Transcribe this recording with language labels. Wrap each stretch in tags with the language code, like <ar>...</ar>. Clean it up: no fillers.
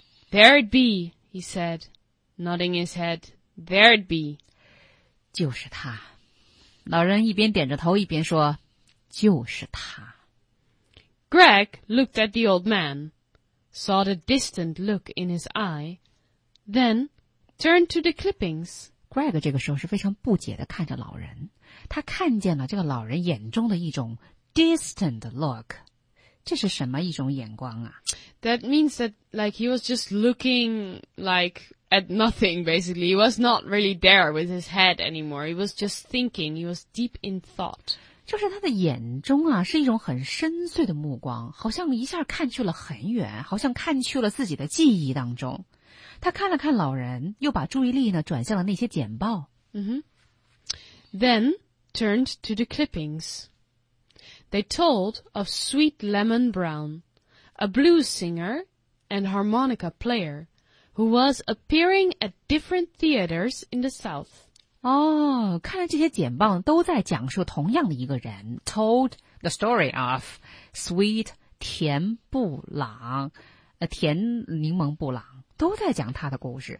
<en>There it be, he said, nodding his head, there it be.</en> <zh>就是它。老人一边点着头一边说就是他。</zh> <en>Greg looked at the old man, saw the distant look in his eye, then turned to the clippings.</en> <zh>Greg 这个时候是非常不解地看着老人。他看见了这个老人眼中的一种</zh> <en>distant look。</en> <zh>这是什么一种眼光啊</zh> <en>?That means that, like, he was just looking, like,at nothing, basically. He was not really there with his head anymore. He was just thinking. He was deep in thought.</en> <zh>就是他的眼中啊是一种很深邃的目光好像一下看去了很远好像看去了自己的记忆当中。他看了看老人又把注意力呢转向了那些简报。</zh> <en>Mm-hmm. Then turned to the clippings. They told of Sweet Lemon Brown, a blues singer and harmonica player. Who was appearing at different theaters in the South.</en> <zh>哦，看来这些简报都在讲述同样的一个人</zh> <en>told the story of Sweet</en> <zh>甜布朗甜柠檬布朗都在讲他的故事、</zh>